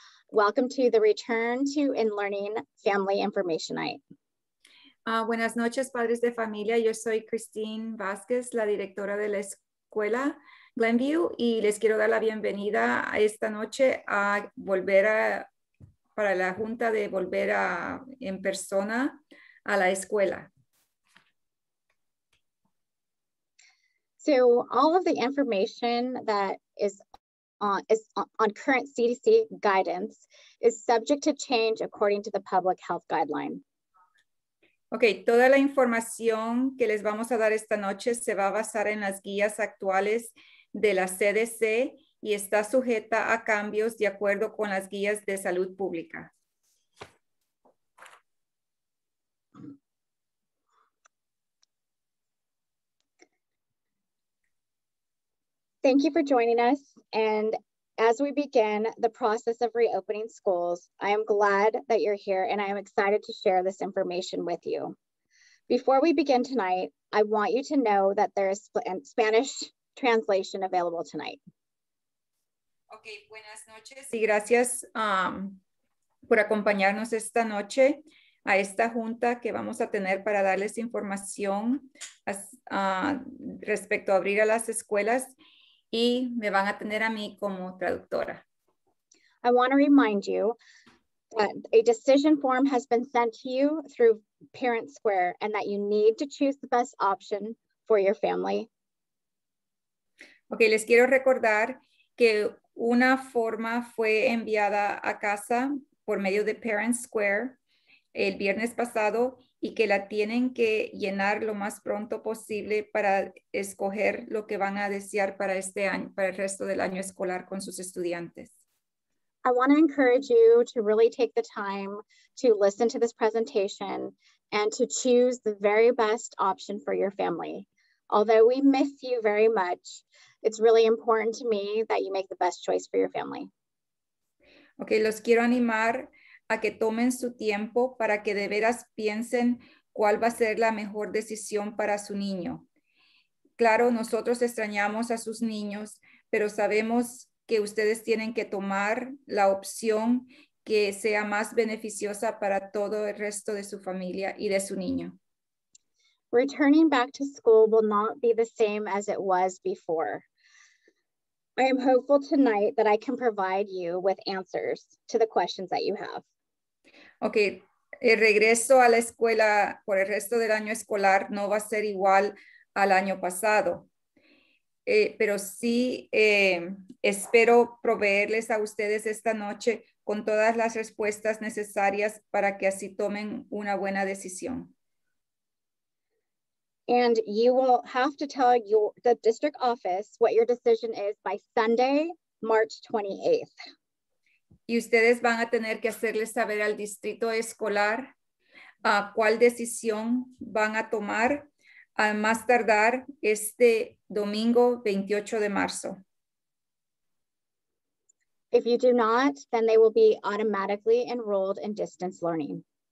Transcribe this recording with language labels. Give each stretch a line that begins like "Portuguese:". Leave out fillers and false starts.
English: Welcome to the Return to In Learning Family Information Night.
Spanish: Buenas noches, padres de familia. Yo soy Christine Vasquez, la directora de la escuela Glenview, y les quiero dar la bienvenida a esta noche a volver a, para la junta de volver a, en persona a la escuela.
English: So all of the information that is on current CDC guidance is subject to change according to the public health guideline.
Spanish: Okay, toda la información que les vamos a dar esta noche se va a basar en las guías actuales de la CDC y está sujeta a cambios de acuerdo con las guías de salud pública.
English: Thank you for joining us. And as we begin the process of reopening schools, I am glad that you're here and I am excited to share this information with you. Before we begin tonight, I want you to know that there is Spanish translation available tonight.
Spanish: Okay, buenas noches y gracias por acompañarnos esta noche a esta junta que vamos a tener para darles información respecto a abrir a las escuelas. Y me van a tener a mí como traductora.
English: I want to remind you that a decision form has been sent to you through Parent Square and that you need to choose the best option for your family.
Spanish: Okay, les quiero recordar que una forma fue enviada a casa por medio de Parent Square el viernes pasado y que la tienen que llenar lo más pronto posible para escoger lo que van a desear para este año, para el resto del año escolar con sus estudiantes.
English: I want to encourage you to really take the time to listen to this presentation and to choose the very best option for your family. Although we miss you very much, it's really important to me that you make the best choice for your family.
Spanish: Okay, los quiero animar a que tomen su tiempo para que de veras piensen cuál va a ser la mejor decisión para su niño. Claro, nosotros extrañamos a sus niños, pero sabemos que ustedes tienen que tomar la opción que sea más beneficiosa para todo el resto de su familia y de su niño.
English: Returning back to school will not be the same as it was before. I am hopeful tonight that I can provide you with answers to the questions that you have.
Spanish: Okay, el regreso a la escuela por el resto del año escolar no va a ser igual al año pasado. Pero sí espero proveerles a ustedes esta noche con todas las respuestas necesarias para que así tomen una buena decisión.
English: And you will have to tell the district office what your decision is by Sunday, March 28th.
Spanish: Y ustedes van a tener que hacerles saber al distrito escolar cuál decisión van a tomar al más tardar este domingo 28 de marzo.
English: If you do not, then they will be automatically enrolled in distance learning.